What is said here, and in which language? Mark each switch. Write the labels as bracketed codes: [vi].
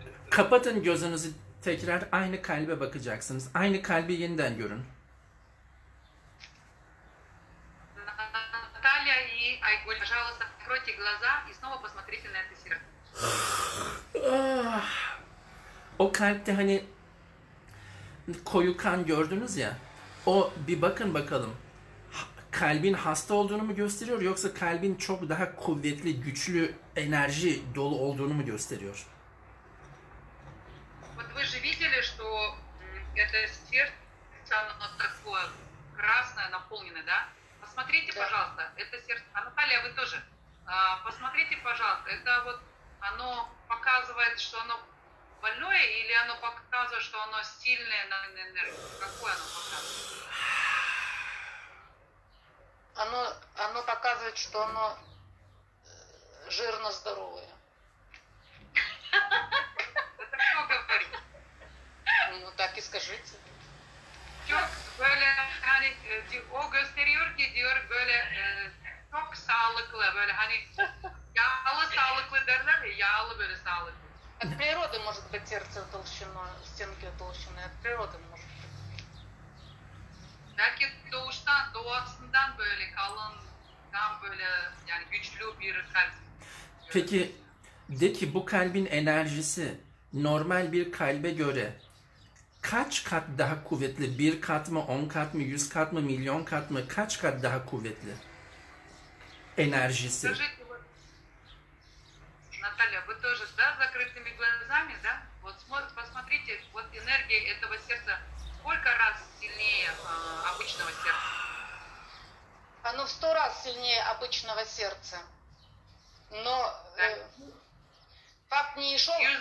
[tr] Kapatın gözünüzü, tekrar aynı kalbe bakacaksınız. Aynı kalbi yeniden görün. [ru] Наталья и Айгүл, пожалуйста, откройте глаза и снова посмотрите на это сердце. [tr] О кальпте, hani koyu kan gördünüz ya. O bir bakın bakalım. Kalbin hasta olduğunu mu gösteriyor, yoksa kalbin çok daha kuvvetli, güçlü, enerji dolu olduğunu mu gösteriyor? [ru] Вот вы же видели, что это сердце, оно такое красное, наполненное, да? Посмотрите, пожалуйста, это сердце. А Наталья, вы тоже? Посмотрите, пожалуйста, это вот оно показывает, что оно больное, или оно показывает, что оно сильное на энергию? Какое оно показывает? Оно показывает, что оно жирно-здоровое. Это кто говорит? Ну так и скажите. [tr] Çok böyle hani o gösteriyor ki diyor böyle çok sağlıklı böyle hani yağlı sağlıklı derler ya yağlı böyle sağlıklı. [ru] От природы может быть сердце толщиной, стенки толщиной от природы может быть. [tr] Belki doğuştan, doğasından böyle kalın, tam böyle yani güçlü bir kalp. Peki, de ki bu kalbin enerjisi normal bir kalbe göre kaç kat daha kuvvetli? Bir kat mı, on kat mı, yüz kat mı, milyon kat mı? Kaç kat daha kuvvetli enerjisi? [ru] Наталья, вы тоже, да, закрытыми глазами, да? Вот посмотрите, вот энергия этого сердца сколько раз сильнее обычного сердца? Оно в 100 раз сильнее обычного сердца. Но факт не шел.